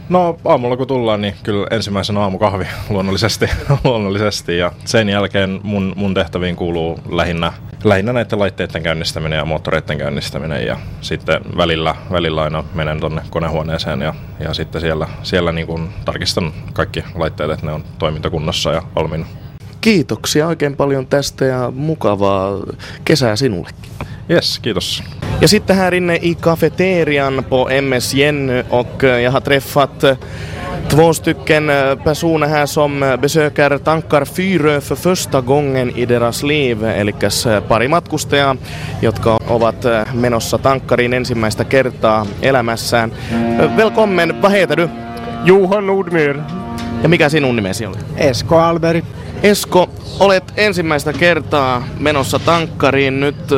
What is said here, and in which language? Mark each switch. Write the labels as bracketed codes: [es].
[fi] No aamulla kun tullaan, niin kyllä ensimmäisenä aamukahvi luonnollisesti ja sen jälkeen mun tehtäviin kuuluu lähinnä näiden laitteiden käynnistäminen ja moottoreiden käynnistäminen, ja sitten välillä aina menen tuonne konehuoneeseen ja sitten siellä niin kuin tarkistan kaikki laitteet, että ne on toimintakunnossa ja valmiina. Kiitoksia oikein paljon tästä ja mukavaa kesää sinullekin. Yes, kiitos. Ja sitten [sv] här inne i cafeterian på MS Jenny, och jag har träffat två stycken personer här som besöker tankar Fyrö för första gången i deras liv. [fi] Eli pari matkustajaa, jotka ovat menossa tankkariin ensimmäistä kertaa elämässään. [sv] Välkommen, vad heter du? Johan Nordmyr. [fi] Ja mikä sinun nimesi oli? Esko Alberi. Esko, olet ensimmäistä kertaa menossa tankkariin nyt.